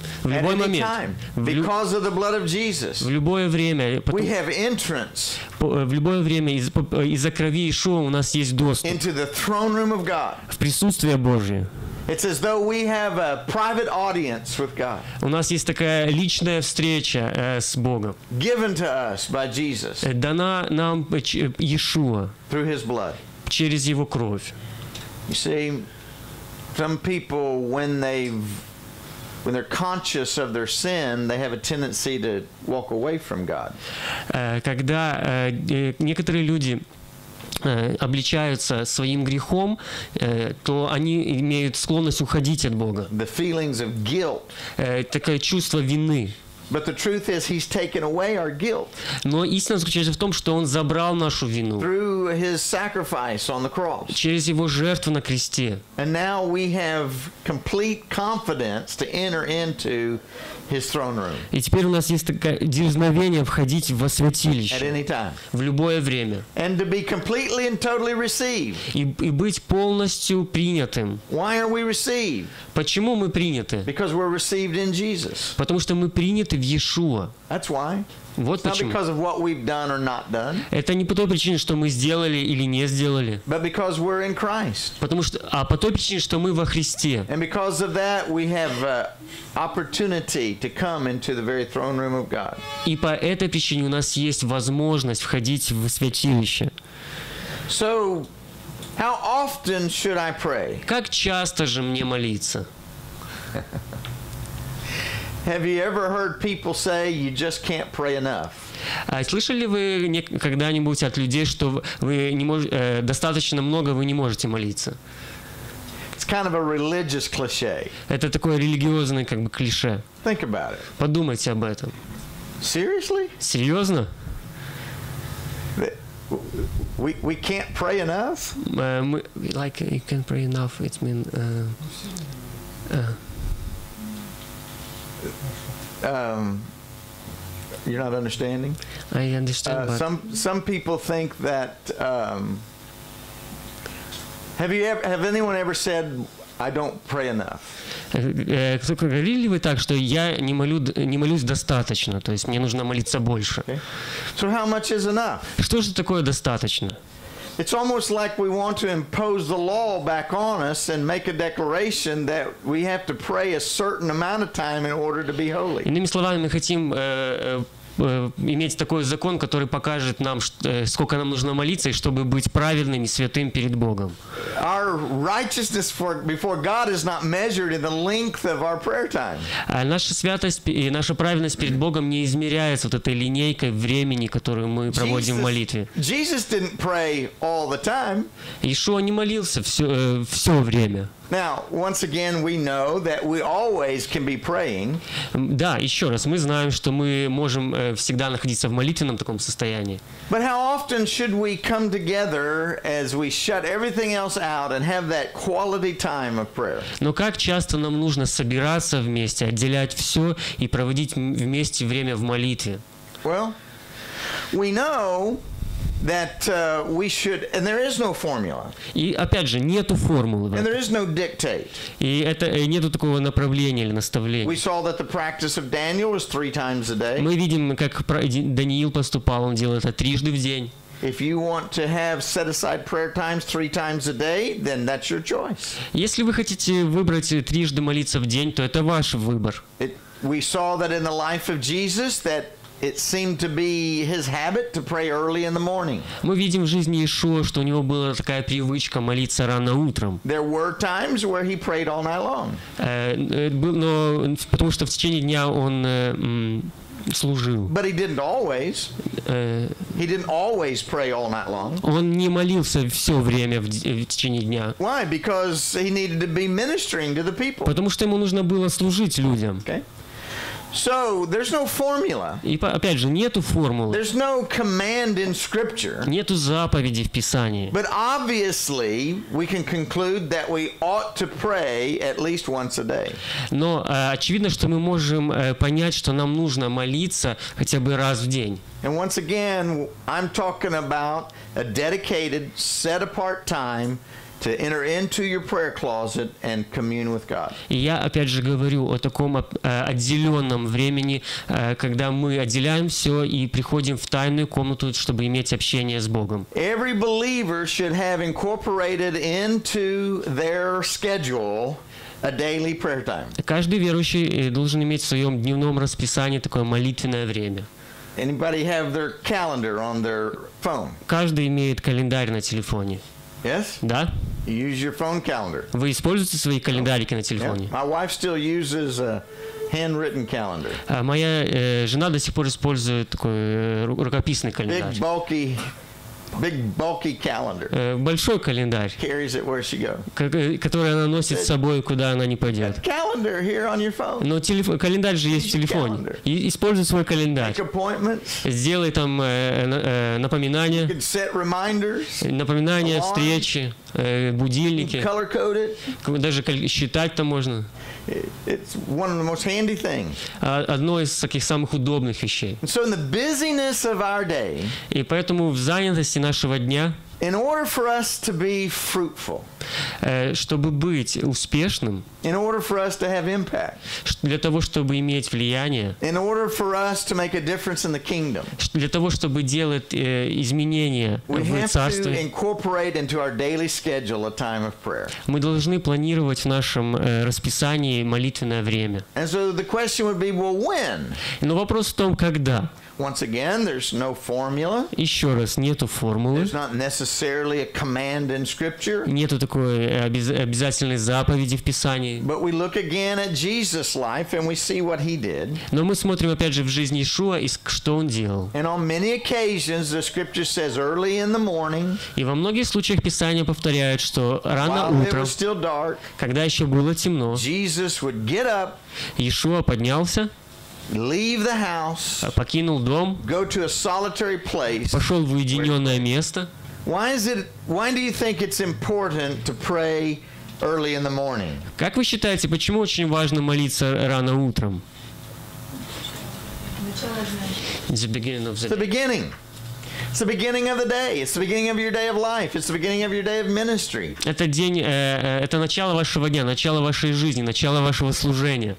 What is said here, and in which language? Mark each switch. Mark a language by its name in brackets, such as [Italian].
[Russian] В любой момент. [English] Because of the blood of Jesus. [Russian] В любое время. [English] We have entrance. [Russian] В любое время из-за крови Иешуа у нас есть доступ. [English] Into the throne room of God. [Russian] В присутствие Божие. [English] It's as though we have a private audience with God. [Russian] У нас есть такая личная встреча с Богом. [English] Given to us by Jesus. [Russian] Дана нам Иешуа. [English] Through His blood. [Russian] Через Его кровь. [English] You see, some people when they're conscious of their sin, they have a tendency to walk away from God. [Russian] Когда некоторые люди обличаются своим грехом, то они имеют склонность уходить от Бога. [English] The feelings of guilt. [Russian] Такое чувство вины. [English] But the truth is, He's taken away our guilt. [Russian] Но истина заключается в том, что Он забрал нашу вину. [English] Through His sacrifice on the cross. [Russian] Через Его жертву на кресте. [English] And now we have complete confidence to enter into His throne room. [Russian] И теперь у нас есть такое дерзновение входить во святилище. [English] At any time. [Russian] В любое время. [English] And to be completely and totally received. [Russian] И быть полностью принятым. [English] Why are we received? [Russian] Почему мы приняты? [English] Because we're received in Jesus. [Russian] Потому что мы приняты в Иешуа. [English] That's why. [Russian] Вот почему. [English] Not because of what we've done or not done. [Russian] Это не по той причине, что мы сделали или не сделали. [English] But because we're in Christ. [Russian] Потому что, а по той причине, что мы во Христе. [English] And because of that, we have opportunity to come into the very throne room of God. [Russian] И по этой причине у нас есть возможность входить в святилище. [English] So, how often should I pray? [Russian] Как часто же мне молиться? [English] Have you ever heard people say you just can't pray enough? [Russian] Слышали вы когда-нибудь от людей, что вы не можете достаточно много, вы не можете молиться? [English] It's kind of a religious cliche. [Russian] Это такое религиозное как бы клише. [English] Think about it. [Russian] Подумайте об этом. [English] Seriously? [Russian] Серьезно? [English] We can't pray enough? Like you can't pray enough. It means. You're not understanding. I understand. But some people think that. Have anyone ever said, "I don't pray enough"? [Russian] Кто-то говорил ли вы так, что я не молюсь достаточно, то есть мне нужно молиться больше? [English] So how much is enough? [Russian] Что же такое достаточно? [English] It's almost like we want to impose the law back on us and make a declaration that we have to pray a certain amount of time in order to be holy. [Russian] Иными словами, мы хотим иметь такой закон, который покажет нам, сколько нам нужно молиться, чтобы быть праведным и святым перед Богом. [English] Our righteousness before God is not measured in the length of our prayer time. [Russian] А наша святость и наша праведность перед Богом не измеряется вот этой линейкой времени, которую мы проводим в молитве. [English] Jesus didn't pray all the time. [Russian] Иешуа не молился все время. [English] Now, once again, we know that we always can be praying. [Russian] Да, еще раз, мы знаем, что мы можем всегда находиться в молитвенном таком состоянии. [English] But how often should we come together as we shut everything else out and have that quality time of prayer? [Russian] Но как часто нам нужно собираться вместе, отделять все и проводить вместе время в молитве? [English] Well, we know that we should, and there is no formula. [Russian] И опять же, нету формулы. [English] And there is no dictate. [Russian] И это нету такого направления или наставления. [English] We saw that the practice of Daniel was 3 times a day. [Russian] Мы видим, как Даниил поступал, он делал это [English] 3 times a day. If you want to have set aside prayer times 3 times a day, then that's your choice. [Russian] Если вы хотите выбрать [English] 3 times [Russian] молиться в день, то это ваш выбор. [English] We saw that in the life of Jesus that it seemed to be his habit to pray early in the morning. [Russian] Мы видим в жизни Иешуа, что у него была такая привычка молиться рано утром. [English] There were times where he prayed all night long. [Russian] Но потому что в течение дня он служил. [English] But he didn't always. He didn't always pray all night long. [Russian] Он не молился все время в течение дня. [English] Why? Because he needed to be ministering to the people. [Russian] Потому что ему нужно было служить людям. [English] Okay. So there's no formula. [Russian] И опять же, нету формулы. [English] There's no command in Scripture. [Russian] Нету заповеди в Писании. [English] But obviously, we can conclude that we ought to pray at least once a day. [Russian] Но очевидно, что мы можем понять, что нам нужно молиться хотя бы раз в день. [English] And once again, I'm talking about a dedicated, set apart time to enter into your prayer closet and commune with God. [Russian] Я опять же говорю о таком отделенном времени, когда мы отделяем все и приходим в тайную комнату, чтобы иметь общение с Богом. [English] Every believer should have incorporated into their schedule a daily prayer time. [Russian] Каждый верующий должен иметь в своем дневном расписании такое молитвенное время. [English] Anybody have their calendar on their phone? [Russian] Каждый имеет календарь на телефоне. [English] Yes? [Russian] Да. [English] You use your phone calendar. [Russian] Вы используете свои календарики на телефоне? [English] My wife still uses a handwritten calendar. [Russian] Моя жена до сих пор использует такой рукописный календарь. [English] Big bulky calendar. [Russian] Большой календарь. [English] Carries it where she goes. [Russian] Который она носит с собой, куда она не пойдет. [English] Calendar here on your phone. [Russian] Но календарь же есть в телефоне. Используй свой календарь. [English] Make appointments. [Russian] Сделай там напоминания. [English] You can set reminders. [Russian] Напоминания, встречи, будильники. [English] Color code it. [Russian] Даже считать там можно. [English] It's one of the most handy things. [Russian] Одно из таких самых удобных вещей. [English] So in the busyness of our day. [Russian] И поэтому в занятости нашего дня. [English] In order for us to be fruitful. [Russian] Чтобы быть успешным, [English] in order for us to have impact, [Russian] для того, чтобы иметь влияние, [English] in order for us to make a difference in the kingdom, [Russian] для того, чтобы делать изменения в Царстве, [English] we have to incorporate into our daily schedule a time of prayer. [Russian] Мы должны планировать в нашем расписании молитвенное время. [English] And so the question would be, well, when? [Russian] Но вопрос в том, когда. [English] Once again, there's no formula. [Russian] Еще раз, нету формулы. [English] There's not necessarily a command in Scripture. [Russian] Нету такой обязательной заповеди в Писании. [English] But we look again at Jesus' life and we see what he did. [Russian] Но мы смотрим опять же в жизнь Иешуа и что он делал. [English] And on many occasions, the Scripture says early in the morning. [Russian] И во многих случаях Писание повторяет, что рано утром. [English] While it was still dark. [Russian] Когда еще было темно. [English] Jesus would get up. [Russian] Иешуа поднялся. [English] Leave the house. [Russian] Покинул дом. [English] Go to a solitary place. [Russian] Пошел в уединенное место. [English] Why do you think it's important to pray early in the morning? [Russian] Как вы считаете, почему очень важно молиться рано утром? [English] The beginning. It's the beginning of the day. It's the beginning of your day of life. It's the beginning of your day of ministry. [Russian] Это день, это начало вашего дня, начало вашей жизни, начало вашего служения.